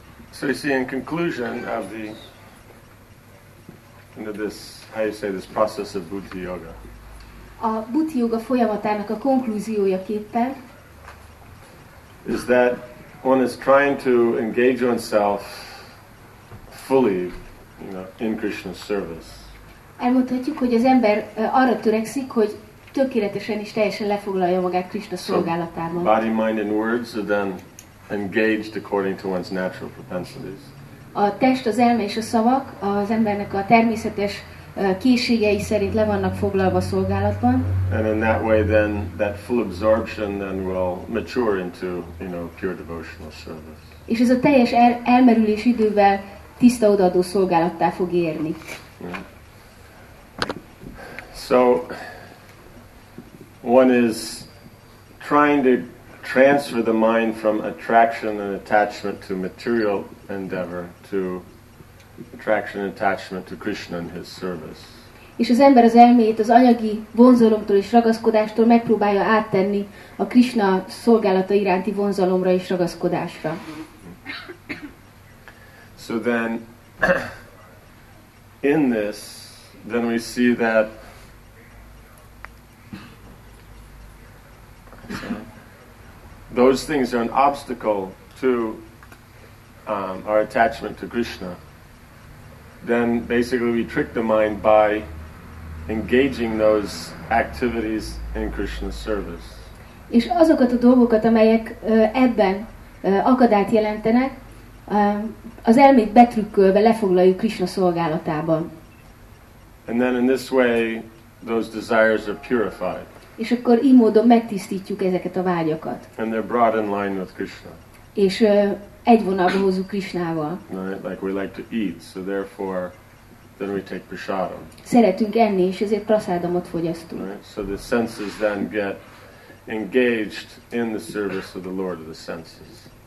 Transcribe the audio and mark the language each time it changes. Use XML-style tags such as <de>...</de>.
<en>So you see, in conclusion of the end of this, how you say this process of Bhuti Yoga.</en> <hu>A Bhuti Yoga folyamatának a konklúziójaképpen.</hu> <en>Is that one is trying to engage oneself fully, you know, in Krishna's service.</en> <hu>Elmondhatjuk, hogy az ember arra törekszik, hogy tökéletesen és teljesen lefoglalja magát Krishna szolgálatában.</hu> <en>So body, mind, and words are then engaged according to one's natural propensities.</en> <hu>A test, az elme és a szavak az embernek a természetes készségei szerint le vannak foglalva a szolgálatban.</hu> <en>And in that way then that full absorption then will mature into, you know, pure devotional service.</en> <hu>És ez a teljes elmerülés idővel tiszta odaadó szolgálattá fog érni.</hu> <en>So one is trying to transfer the mind from attraction and attachment to material endeavor to attraction and attachment to Krishna and his service.</en> <hu>És az ember az elméjét az anyagi vonzalomtól és ragaszkodástól megpróbálja áttenni a Krishna szolgálata iránti vonzalomra és ragaszkodásra.</hu> <en>So then in this then we see that those things are an obstacle to our attachment to Krishna. Then basically we trick the mind by engaging those activities in Krishna's service.</en> <hu>És azokat a dolgokat, amelyek ebben akadályt jelentenek, az elmét betrükkölve lefoglaljuk Krishna szolgálatában.</hu> <en>And then in this way those desires are purified.</en> <hu>És akkor így módon megtisztítjuk ezeket a vágyakat.</hu> <en>And they're brought in line with Krishna.</en> <hu>És egy vonalba hozzuk Krishnával.</hu> <en>Like we like to eat, so therefore then we take prasadam.</en> <hu>Szeretünk enni, és ezért prasadamot fogyasztunk.</hu> <en>Right? So the senses then get engaged in the service of the Lord of the senses.</en>